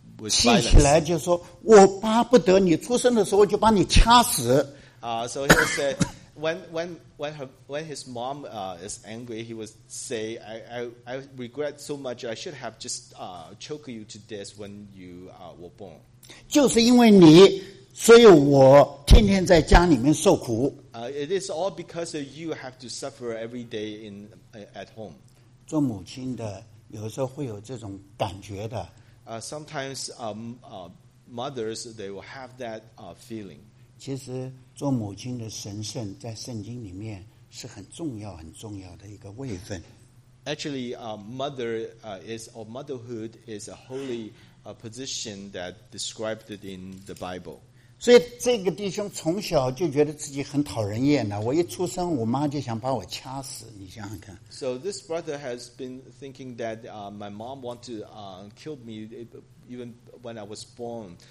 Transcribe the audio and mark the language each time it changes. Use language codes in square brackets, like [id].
[zh] 气起来就说我巴不得你出生的时候就把你掐死。 [en] So he would say, when his mom is angry, he would say, I regret so much, I should have just choked you to death when you were born. [zh] 就是因为你，所以我天天在家里面受苦。 [en] It is all because of you have to suffer every day in at home. [zh] 做母亲的，有时候会有这种感觉的。 [en] Sometimes mothers, they will have that feeling. [zh] 其实做母亲的神圣在圣经里面是很重要很重要的一个位分。 [en] Actually, motherhood is a holy position that described it in the Bible. [zh] 所以这个弟兄从小就觉得自己很讨人厌了。我一出生，我妈就想把我掐死。你想想看。 [en] So this brother has been thinking that my mom wanted to kill me even when I was born.